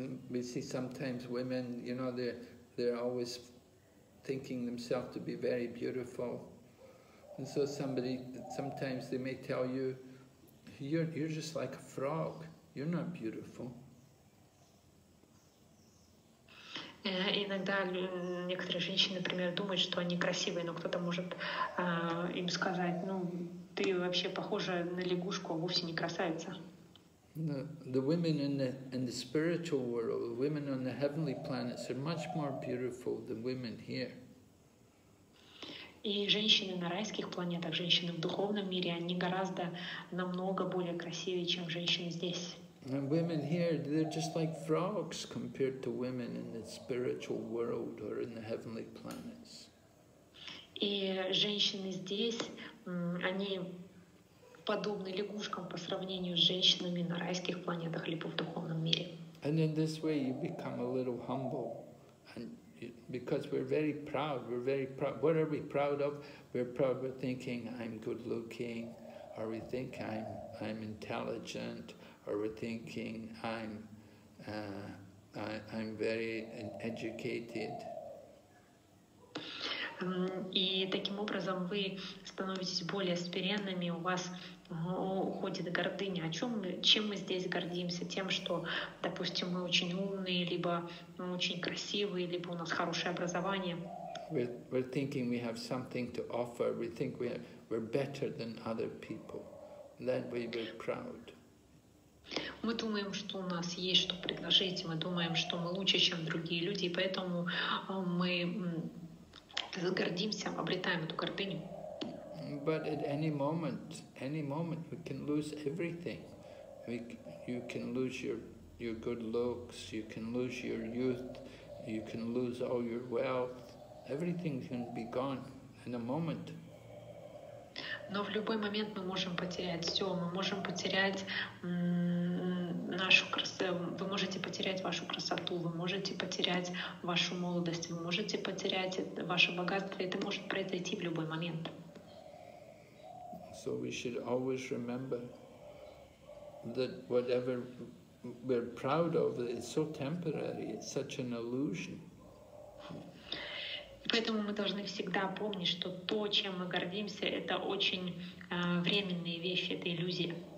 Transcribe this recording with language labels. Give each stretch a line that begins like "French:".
English: We see sometimes women, you know, they're always thinking themselves to be very beautiful, and so somebody sometimes they may tell you, you're just like a frog. You're not beautiful.
Russian: Иногда некоторые женщины, например, думают, что они красивые, но кто-то может им сказать, ну, ты вообще похожа на лягушку, а вовсе не красавица.
English: The women in the spiritual world, the women on the heavenly planets are much more beautiful than women here.
Russian: И женщины на райских планетах, женщины в духовном мире, они гораздо намного более красивее, чем женщины здесь.
English: And women here, they're just like frogs compared to women in the spiritual world or in the heavenly planets.
Russian: И женщины здесь, они подобны лягушкам по сравнению с женщинами на райских планетах либо в духовном мире.
English: And in this way you become a little humble. And because we're very proud. What are we proud of? We're proud of thinking I'm good looking, or we think I'm intelligent. Or we're thinking I'm very educated.
Russian: И таким образом вы становитесь более смиренными, у вас уходит гордыня. Чем мы здесь гордимся? Тем, что, допустим, мы очень умные, либо мы очень красивые, либо у нас хорошее образование.
English: We're thinking we have something to offer. We think we're better than other people. Then we were proud.
Russian: Мы думаем, что у нас есть что предложить, мы думаем, что мы лучше, чем другие люди, и поэтому мы гордимся, обретаем эту гордыню.
English: But at any moment we can lose everything. You can lose your good looks, you can lose your youth, you can lose all your wealth. Everything can be gone in a moment.
Russian: Но в любой момент мы можем потерять все. Мы можем потерять нашу красоту. Вы можете потерять вашу красоту, вы можете потерять вашу молодость, вы можете потерять ваше богатство. Это может произойти в любой момент.
English: So we should always remember that whatever we're proud of is so temporary, it's such an illusion.
Russian: Поэтому мы должны всегда помнить, что то, чем мы гордимся, это очень временные вещи, это иллюзия.